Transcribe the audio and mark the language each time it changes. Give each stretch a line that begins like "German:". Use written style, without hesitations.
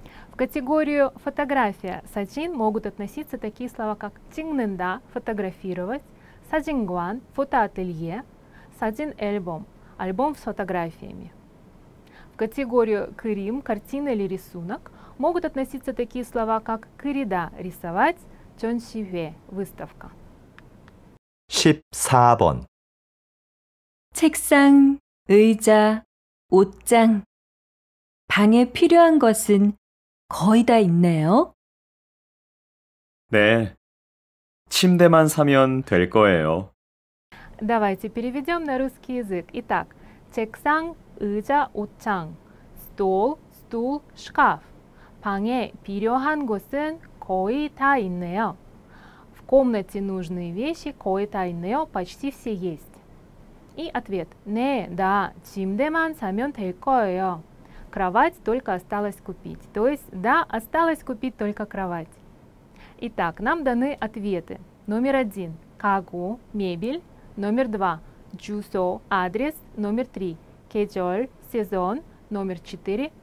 Russian: В категорию фотография саджин могут относиться такие слова, как тингненда, фотографировать, саджингуан, фотоателье, саджин эльбом, альбом с фотографиями. В категорию кырим, картина или рисунок, могут относиться такие слова, как кырида, рисовать, чонсиве, выставка.
Korean: 14번. 책상, 의자, 옷장, 방에 필요한 것은 거의 다 있네요. 네, 침대만 사면 될 거예요.
Russian: Давайте переведем на русский язык. Итак,
Korean: 책상, 의자, 옷장,
Russian: стул, шкаф.
Korean: 방에 필요한 것은 거의 다 있네요.
Russian: В комнате нужные вещи
Korean: 거의 다 있네요.
Russian: Почти все есть. И ответ.
Korean: 네, 다, 침대만 사면 될 거예요.
Russian: Кровать только осталось купить. То есть, да, осталось купить только кровать. Итак, нам даны ответы. Номер один. 가구, мебель. Номер два. 주소, адрес. Номер три. 계절, сезон. Номер четыре.